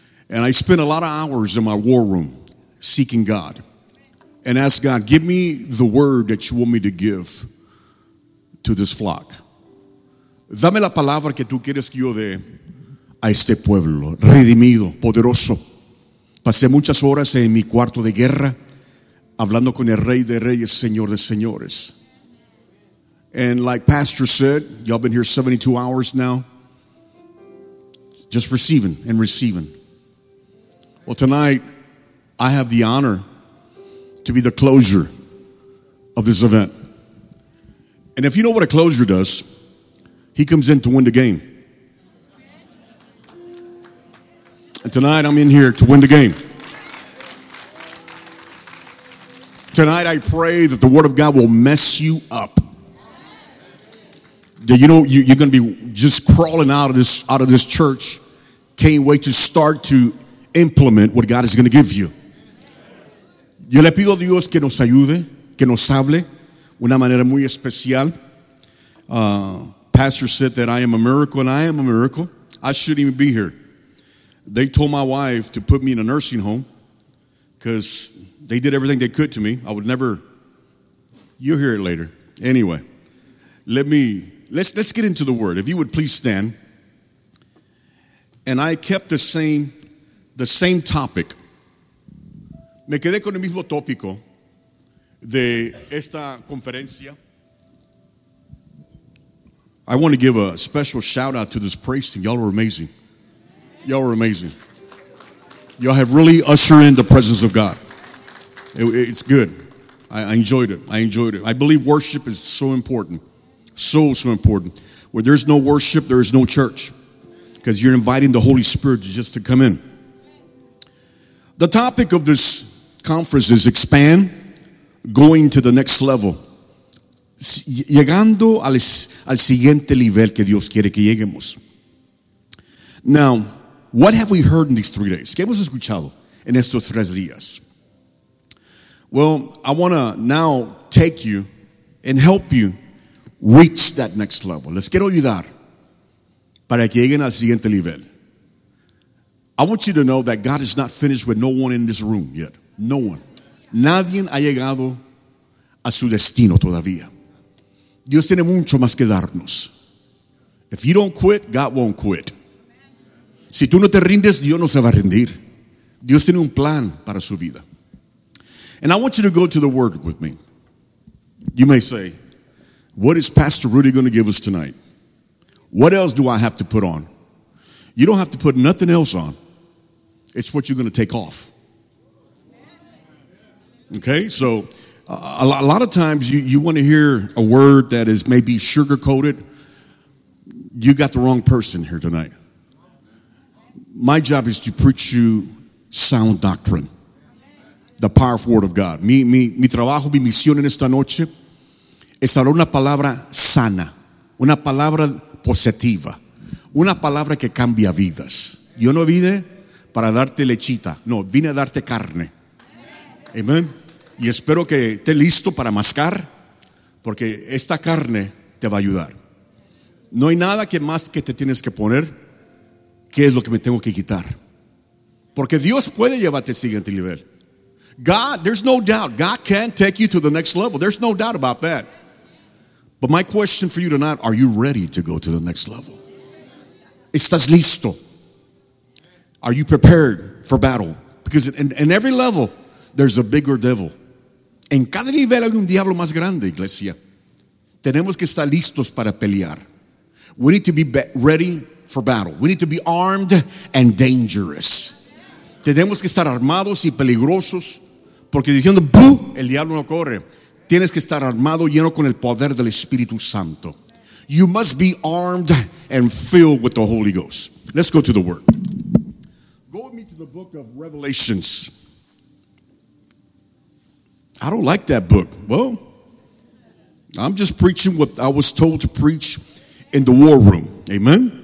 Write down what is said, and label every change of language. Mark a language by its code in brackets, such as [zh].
[en] And I spent a lot of hours in my war room seeking God and asked God, give me the word that you want me to give to this flock. [es] Dame la palabra que tú quieres que yo dé a este pueblo, redimido, poderoso. Pasé muchas horas en mi cuarto de guerra hablando con el Rey de Reyes, Señor de Señores. [en] And like Pastor said, y'all been here 72 hours now, just receiving and receiving. Well, tonight, I have the honor to be the closure of this event. And if you know what a closure does, he comes in to win the game. And tonight, I'm in here to win the game. Tonight, I pray that the word of God will mess you up. That you know, you're going to be just crawling out of this church. Can't wait to start to implement what God is going to give you. [es] Yo le pido a Dios que nos ayude, que nos hable una manera muy especial. [en] Pastor said that I am a miracle, and I am a miracle. I shouldn't even be here. They told my wife to put me in a nursing home because they did everything they could to me. I would never. You'll hear it later. Anyway, let's get into the word. If you would please stand. And I kept the same topic. [es] Me quedé con el mismo tópico de esta conferencia. [en] I want to give a special shout out to this praise team. Y'all were amazing. Y'all were amazing. Y'all have really ushered in the presence of God. It's good. I enjoyed it. I believe worship is so important. So important. Where there's no worship, there is no church. Because you're inviting the Holy Spirit just to come in. The topic of this conference is expand, going to the next level. [es] Llegando al siguiente nivel que Dios quiere que lleguemos. [en] Now, what have we heard in these 3 days? [es] ¿Qué hemos escuchado en estos 3 días? [en] Well, I want to now take you and help you reach that next level. [es] Les quiero ayudar para que lleguen al siguiente nivel. [en] I want you to know that God is not finished with no one in this room yet. No one. [es] Nadie ha llegado a su destino todavía. Dios tiene mucho más que darnos. [en] If you don't quit, God won't quit. [es] Si tú no te rindes, Dios no se va a rendir. Dios tiene un plan para su vida. [en] And I want you to go to the word with me. You may say, what is Pastor Rudy going to give us tonight? What else do I have to put on? You don't have to put nothing else on. It's what you're going to take off. Okay, so A lot of times you want to hear a word that is maybe sugar-coated. You got the wrong person here tonight. My job is to preach you sound doctrine, the powerful word of God. [es] Mi trabajo, mi misión en esta noche es hablar una palabra sana, una palabra positiva, una palabra que cambia vidas. Yo no vine para darte lechita, no, vine a darte carne. Amén. Y espero que esté listo para mascar, porque esta carne te va a ayudar. No hay nada que más que te tienes que poner, que es lo que me tengo que quitar. Porque Dios puede llevarte al siguiente nivel. [en] God, there's no doubt. God can take you to the next level. There's no doubt about that. But my question for you tonight, are you ready to go to the next level? [es] ¿Estás listo? [en] Are you prepared for battle? Because in every level, there's a bigger devil. [es] En cada nivel hay un diablo más grande, iglesia. Tenemos que estar listos para pelear. [en] We need to be ready for battle. We need to be armed and dangerous. [es] Tenemos que estar armados y peligrosos, porque diciendo ¡bú!, el diablo no corre. Tienes que estar armado lleno con el poder del Espíritu Santo. [en] You must be armed and filled with the Holy Ghost. Let's go to the Word. Go with me to the book of Revelations. I don't like that book. Well, I'm just preaching what I was told to preach in the war room. Amen?